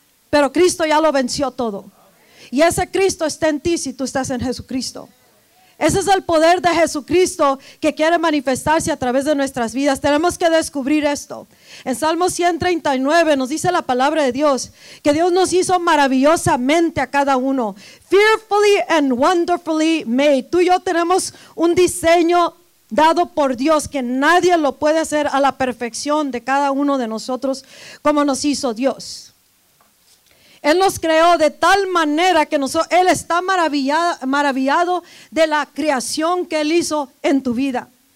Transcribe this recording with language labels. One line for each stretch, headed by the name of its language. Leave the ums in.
Spanish: Pero Cristo ya lo venció todo. Y ese Cristo está en ti si tú estás en Jesucristo. Ese es el poder de Jesucristo que quiere manifestarse a través de nuestras vidas. Tenemos que descubrir esto. En Salmo 139 nos dice la palabra de Dios que Dios nos hizo maravillosamente a cada uno.
English: Fearfully and wonderfully made.
Spanish: Tú y yo tenemos un diseño dado por Dios que nadie lo puede hacer a la perfección de cada uno de nosotros como nos hizo Dios. Él nos creó de tal manera que nosotros, Él está maravillado, maravillado de la creación que Él hizo en tu vida.